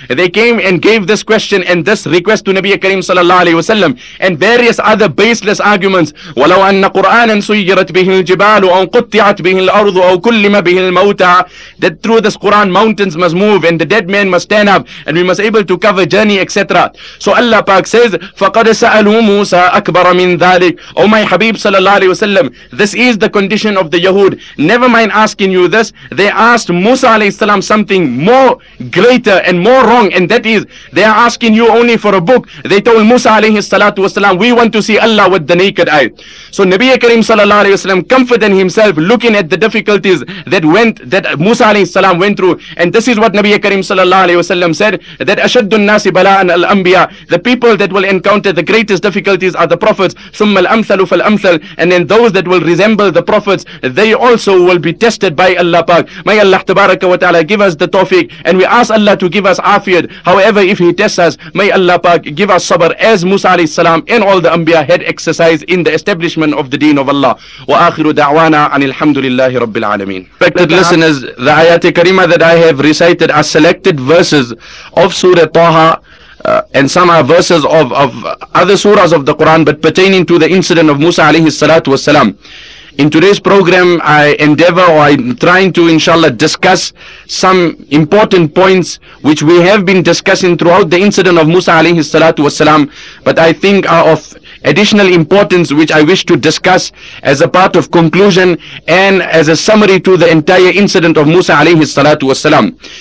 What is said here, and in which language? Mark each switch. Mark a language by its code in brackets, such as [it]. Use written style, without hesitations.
[en] They came and gave this question and this request to Nabi Kareem sallallahu alayhi wasallam and various other baseless arguments. [ar] وَلَوْ أَنَّ قُرْآنًا سُيِّرَتْ بِهِ الْجِبَالُ أَوْ قُطِّعَتْ بِهِ الْأَرْضُ أَوْ كُلِّمَ بِهِ الْمَوْتَى. [en] That through this Quran, mountains must move and the dead man must stand up. And we must able to cover journey, etc. So Allah Pak says, [ar] فَقَدْ سَأَلُوا مُوسَىٰ أَكْبَرَ مِنْ ذَلِكَ. [en] Oh my Habib sallallahu alayhi wa sallam, this is the condition of the Yahud. Never mind asking you this. They asked Musa alayhi salam something more greater and more wrong. And that is, they are asking you only for a book. They told Musa alayhi salatu wa salam, we want to see Allah with the naked eye. So Nabi Karim sallallahu alayhi wa sallam, comforting himself, looking at the difficulties that Musa alayhi salam went through. And this is what Nabi Karim sallallahu alayhi wa sallam said, that [ar] أشد الناس بلاء الأنبياء, [en] the people that will encounter the greatest difficulties are the prophets. [ar] ثم الأمثل فالأمثل, [en] and then those that will resemble the prophets, they also will be tested by Allah Pak. May Allah Tabaraka wa Ta'ala give us the tawfiq, and we ask Allah to give us afiyat. However, if He tests us, may Allah Pak give us sabr as Musa alayhi salam and all the Anbiya had exercised in the establishment of the Deen of Allah. [ar] وآخر دعوانا عن الحمد لله رب العالمين. [en] Respected listeners, the ayat kareema that I have recited are selected verses of Surah Taha, and some are verses of other surahs of the Quran, but pertaining to the incident of Musa alayhi salatu wasalam. In today's program, I'm trying to, inshallah, discuss some important points which we have been discussing throughout the incident of Musa alayhi salatu wasalam, but I think are of additional importance, which I wish to discuss as a part of conclusion and as a summary to the entire incident of Musa alayhi salatu wasalam.